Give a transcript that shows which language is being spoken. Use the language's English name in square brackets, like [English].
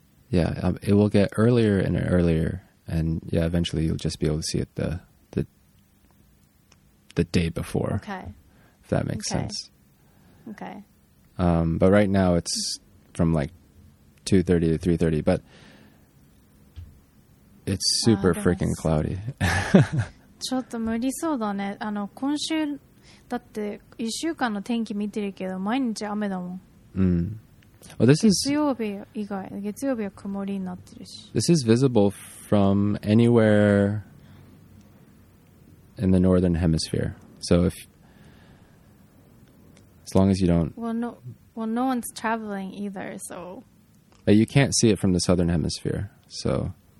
[English] Yeah, it will get earlier and earlier, and yeah, eventually you'll just be able to see it the day before. Okay. If that makes sense. Okay. But right now it's from like 2:30 to 3:30, but. It's super freaking cloudy. [Japanese] ちょっと無理そうだね。あの、今週だって一週間の天気見てるけど毎日雨だもん。 [English] うん。Well, this [Japanese] 月曜日以外、月曜日は曇りになってるし。 [English] This is visible from anywhere in the northern hemisphere. So if as long as you don't well, no one's traveling either. So but you can't see it from the southern hemisphere. So.